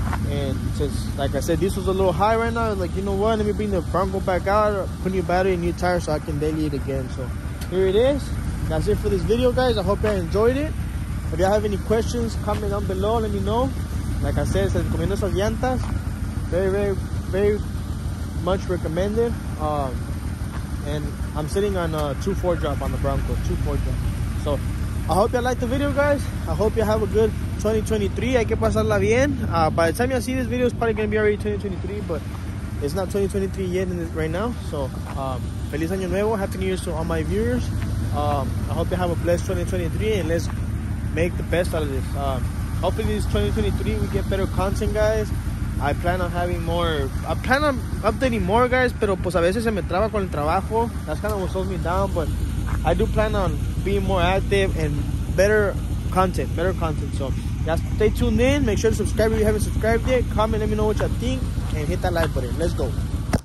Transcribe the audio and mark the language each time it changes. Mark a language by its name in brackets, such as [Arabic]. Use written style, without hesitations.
[English] and since, like I said, this was a little high right now, like, you know what, let me bring the Bronco back out, put new battery and new tire so I can daily it again, so, here it is, that's it for this video, guys, I hope you enjoyed it, if y'all have any questions, comment down below, let me know, like I said, [Spanish] se recomiendo esas llantas, [English] very, very, very much recommended, and I'm sitting on a 2.4 drop on the Bronco, 2.4 drop. So I hope you like the video, guys. I hope you have a good 2023. [Spanish] Hay que pasarla bien. [English] By the time you see this video, it's probably gonna be already 2023, but it's not 2023 yet in this, right now. So [Spanish] feliz año nuevo, [English] happy new year to all my viewers. I hope you have a blessed 2023, and let's make the best out of this. Hopefully this 2023 we get better content, guys. I plan on updating more, guys, [Spanish] pero pues a veces se me traba con el trabajo. [English] That's kind of what slows me down, but I do plan on being more active and better content. So, yeah, stay tuned in. Make sure to subscribe if you haven't subscribed yet. Comment, let me know what you think, and hit that like button. Let's go.